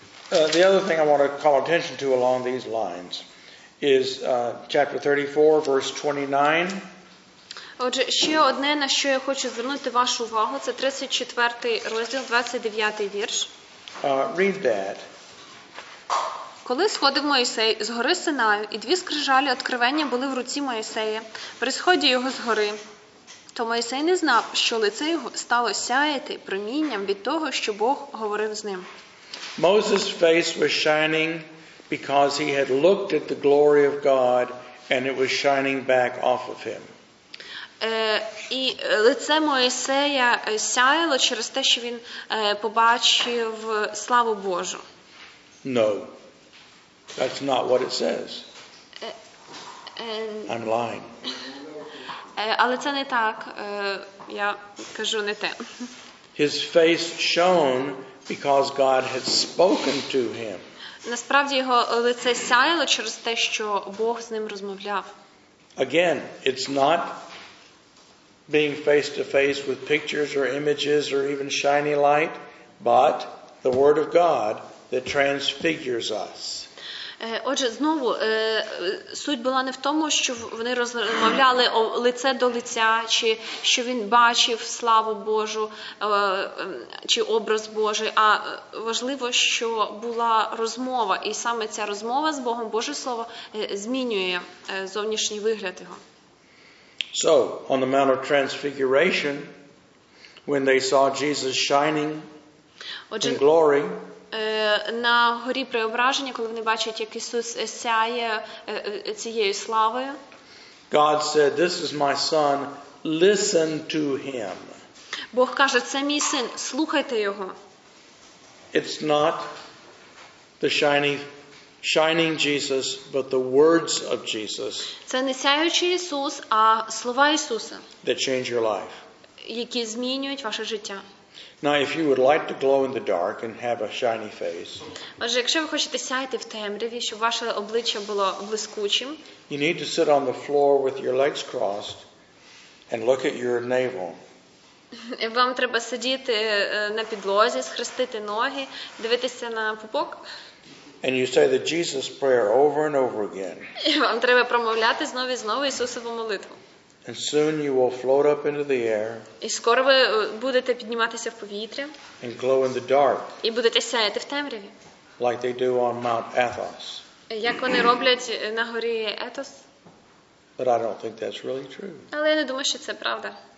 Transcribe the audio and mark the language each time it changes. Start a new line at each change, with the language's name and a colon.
English: The other thing I want to call attention to along these lines is chapter 34, verse 29.
Ukrainian: Отже, ще одне, на що я хочу звернути вашу увагу, це 34 розділ, 29 вірш.
English: Read that.
Ukrainian: Коли сходив Мойсей з гори Синаю, і дві скрижалі откровення були в руці Мойсея, при сході його з гори, то Мойсей не знав, що лице його стало сяяти промінням від того, що Бог говорив з ним.
English: Moses' face was shining because he had looked at the glory of God and it was shining back off of him.
Ukrainian: І лице Мойсея сяяло через те, що він побачив славу Божу.
English: No. That's not what it says. I'm lying.
Ukrainian: Але це не так. Я кажу не те.
English: His face shone because God had spoken to him.
Ukrainian: Насправді його лице сяяло через те, що Бог з ним розмовляв.
English: Again, it's not being face to face with pictures or images or even shiny light, but the word of God that transfigures us.
Ukrainian: Отже, знову, суть була не в тому, що вони розмовляли лице до лиця, чи що він бачив славу Божу, чи образ Божий, а важливо, що була розмова, і саме ця розмова з Богом, Боже слово, змінює зовнішній вигляд його.
English: So, on the Mount of Transfiguration, when they saw Jesus shining in glory,
Ukrainian: на горі Преображення, коли вони бачать, як Ісус сяє цією славою.
English: God said, "This is my son. Listen to him."
Ukrainian: Бог каже: "Це мій син, слухайте його."
English: It's not the shining Jesus, but the words of Jesus.
Ukrainian: Це не сяючий Ісус, а слова Ісуса.
English: That change your life.
Ukrainian: Які змінюють ваше життя.
English: Now, if you would like to glow in the dark and have a shiny face,
Ukrainian: отже, якщо ви хочете сяяти в темряві, щоб ваше обличчя було блискучим,
English: you need to sit on the floor with your legs crossed and look at your navel.
Ukrainian: Вам треба сидіти на підлозі, схрестити ноги, дивитися на пупок.
English: And you say the Jesus prayer over and over again.
Ukrainian: І вам треба промовляти знову і знову Ісусову молитву.
English: And soon you will float up into the air.
Ukrainian: І скоро ви будете підніматися в повітря.
English: And glow in the dark.
Ukrainian: І будете сяяти в темряві.
English: Like they do on Mount Athos.
Ukrainian: Як вони роблять на горі Етос.
English: But I don't think that's really true.
Ukrainian: Але я не думаю, що це правда.